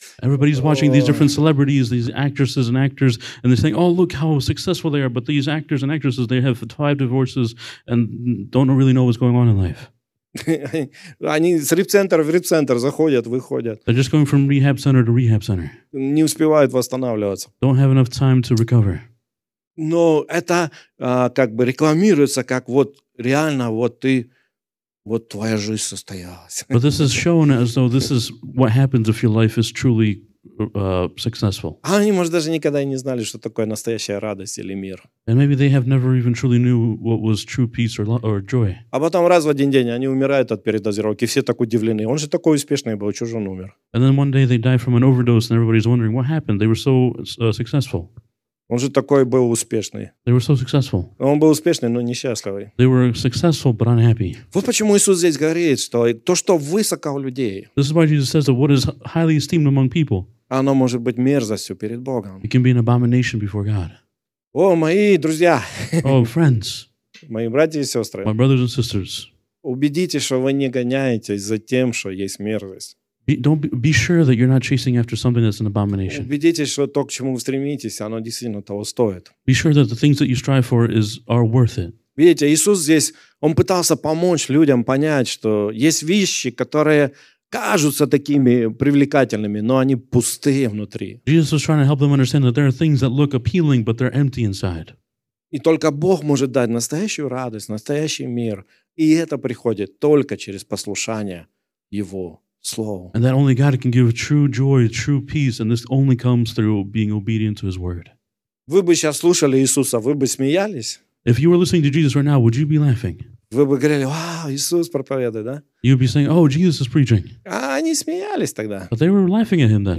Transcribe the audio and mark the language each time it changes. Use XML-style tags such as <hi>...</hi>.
<en>Everybody's watching these different celebrities, these actresses and actors, and they're saying, oh, look how successful they are, but these actors and actresses, they have 5 divorces and don't really know what's going on in life.</en> <ru>Они с рип-центра в рип-центр заходят, выходят.</ru> <en>They're just going from rehab center to rehab center.</en> <ru>Не успевают восстанавливаться.</ru> <en>Don't have enough time to recover.</en> <ru>Но это рекламируется, как вот реально вот ты... Вот твоя жизнь состоялась.</ru> <en>But this is shown as though this is what happens if your life is truly successful.</en> <ru>А они, может, даже никогда и не знали, что такое настоящая радость или мир.</ru> <en>And maybe they have never even truly knew what was true peace or joy.</en> <ru>А потом раз в один день они умирают от передозировки, все так удивлены. Он же такой успешный был, чего же он умер?</ru> <en>And then one day they die from an overdose and everybody's wondering what happened. They were so successful.</en> <ru>Он же такой был успешный.</ru> <en>They were so successful.</en> <ru>Он был успешный, но несчастливый.</ru> <en>They were successful, but unhappy.</en> <ru>Вот почему Иисус здесь говорит, что то, что высоко у людей,</ru> <en>this is why Jesus says that what is highly esteemed among people,</en> <ru>оно может быть мерзостью перед Богом.</ru> <en>It can be an abomination before God.</en> <ru>О, мои друзья!</ru> <en>Oh, friends!</en> <ru>Мои братья и сестры!</ru> <en>My brothers and sisters!</en> <ru>Убедитесь, что вы не гоняетесь за тем, что есть мерзость.</ru> <en>Be sure that you're not chasing after something that's an abomination.</en> <ru>Убедитесь, что то, к чему вы стремитесь, оно действительно того стоит.</ru> <en>Be sure that the things that you strive for are worth it.</en> <ru>Видите, Иисус здесь, он пытался помочь людям понять, что есть вещи, которые кажутся такими привлекательными, но они пустые внутри.</ru> <en>Jesus was trying to help them understand that there are things that look appealing, but they're empty inside.</en> <ru>И только Бог может дать настоящую радость, настоящий мир, и это приходит только через послушание Его.</ru> <en>Slow. And that only God can give true joy, true peace, and this only comes through being obedient to His word.</en> <ru>Вы бы сейчас слушали Иисуса, вы бы смеялись?</ru> <en>If you were listening to Jesus right now, would you be laughing?</en> <ru>Вы бы говорили, вау, Иисус проповедует, да?</ru> <en>You'd be saying, oh, Jesus is preaching.</en> <ru>А они смеялись тогда.</ru> <en>But they were laughing at Him then.</en>